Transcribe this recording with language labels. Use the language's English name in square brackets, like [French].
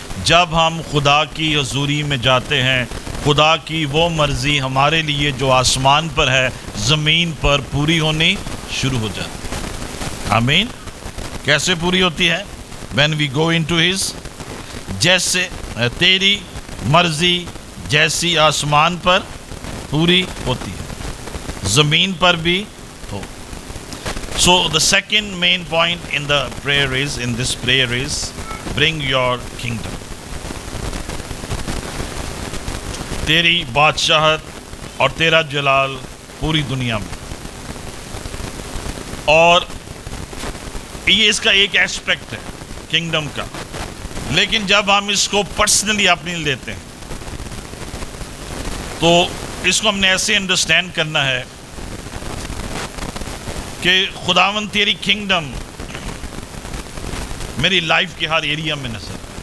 [Urdu] جب ہم خدا کی حضوری میں جاتے ہیں, خدا کی وہ مرضی ہمارے لیے جو آسمان پر ہے زمین پر پوری ہونی شروع ہو جاتی ہے. آمین. کیسے پوری ہوتی ہے؟ [English] when we go in to his, [Urdu] جیسے تیری مرضی جیسی آسمان پر پوری ہوتی ہے زمین پر بھی. [English] So the second main point in the prayer is, in this prayer is, bring your kingdom. [Urdu] تیری بادشاہت اور تیرا جلال پوری دنیا میں. اور یہ اس کا ایک ایسپیکٹ ہے کنگڈم کا, لیکن جب ہم اس کو پرسنلی اپنے لیتے ہیں تو اس کو ہم نے ایسے انڈرسٹینڈ کرنا ہے کہ خداوند تیری کنگڈم میری لائف کے ہر ایریا میں نظر آئے.